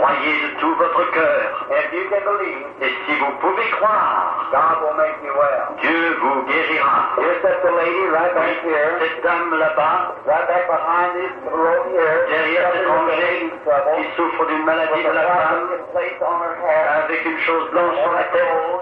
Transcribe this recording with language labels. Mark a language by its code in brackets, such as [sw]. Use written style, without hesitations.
[fr] Croyez de tout votre cœur. [en] If you can believe. [fr] Et si vous pouvez croire. [en] God will make you well. [fr] Dieu vous guérira. [en] Here's that lady right back here. [fr] Cette dame là-bas. [en] Right back behind this row here. [fr] Derrière cet ange qui souffre d'une maladie de la femme. Avec une chose blanche sur la tête.